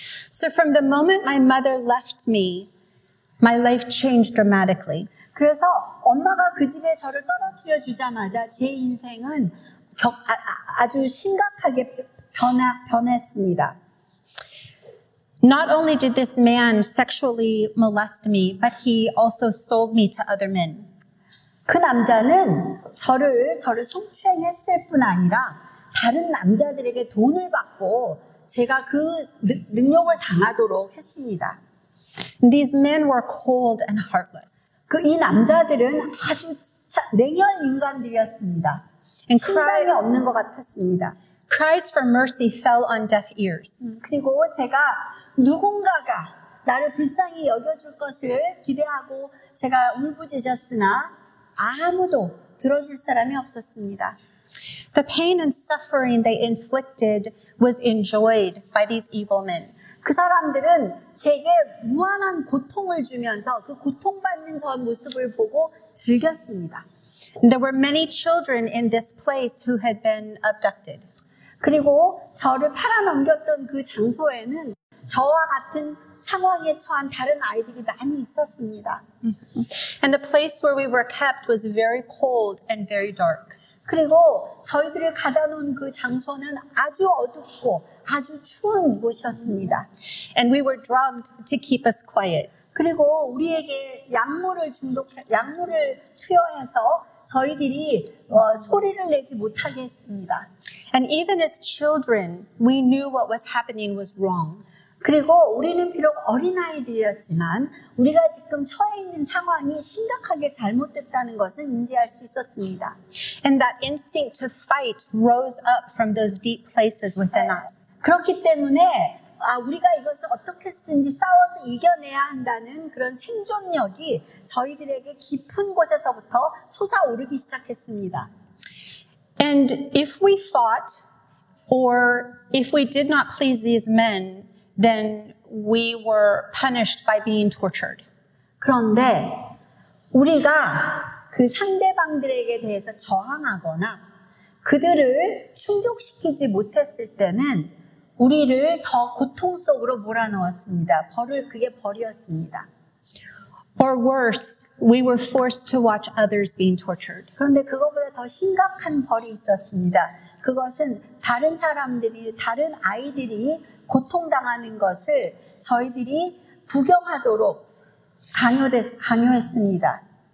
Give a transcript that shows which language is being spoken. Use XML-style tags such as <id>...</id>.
<en>So from the moment my mother left me, my life changed dramatically.</en> <ko>그래서 엄마가 그 집에 저를 떨어뜨려 주자마자 제 인생은 아주 심각하게 변했습니다.</ko> <en>Not only did this man sexually molest me, but he also sold me to other men.</en> <ko>그 남자는 저를 성추행했을 뿐 아니라 다른 남자들에게 돈을 받고 제가 그 능욕을 당하도록 했습니다.</ko> <en>These men were cold and heartless.</en> <ko>이 남자들은 아주 냉혈 인간들이었습니다. 심장이 없는 것 같았습니다.</ko> <en>Cries for mercy fell on deaf ears.</en> <ko>그리고 제가 누군가가 나를 불쌍히 여겨줄 것을 기대하고 제가 울부짖었으나 아무도 들어줄 사람이 없었습니다.</ko> <en>The pain and suffering they inflicted was enjoyed by these evil men.</en> <ko>그 사람들은 제게 무한한 고통을 주면서 그 고통받는 저의 모습을 보고 즐겼습니다.</ko> <en>There were many children in this place who had been abducted.</en> <ko>그리고 저를 팔아넘겼던 그 장소에는 저와 같은 상황에 처한 다른 아이들이 많이 있었습니다.</ko> <en>And the place where we were kept was very cold and very dark.</en> <ko>그리고 저희들을 가둬놓은 그 장소는 아주 어둡고 아주 추운 곳이었습니다.</ko> <en>And we were drugged to keep us quiet.</en> <ko>그리고 우리에게 약물을 투여해서 저희들이 소리를 내지 못하게 했습니다.</ko> <en>And even as children, we knew what was happening was wrong.</en> <ko>그리고 우리는 비록 어린아이들이었지만 우리가 지금 처해 있는 상황이 심각하게 잘못됐다는 것은 인지할 수 있었습니다.</ko> <en>And that instinct to fight rose up from those deep places within us.</en> <ko>그렇기 때문에 우리가 이것을 어떻게든지 싸워서 이겨내야 한다는 그런 생존력이 저희들에게 깊은 곳에서부터 솟아오르기 시작했습니다.</ko> <en>And if we fought or if we did not please these men, then we were punished by being tortured.</en> <ko>그런데 우리가 그 상대방들에게 대해서 저항하거나 그들을 충족시키지 못했을 때는 우리를 더 고통 속으로 몰아넣었습니다. 벌을 그게 벌이었습니다.</ko> <en>Or worse, we were forced to watch others being tortured.</en> <ko>그런데 그것보다 더 심각한 벌이 있었습니다. 그것은 다른 사람들이, 다른 아이들이 고통당하는 것을 저희들이 구경하도록 강요했습니다.</ko>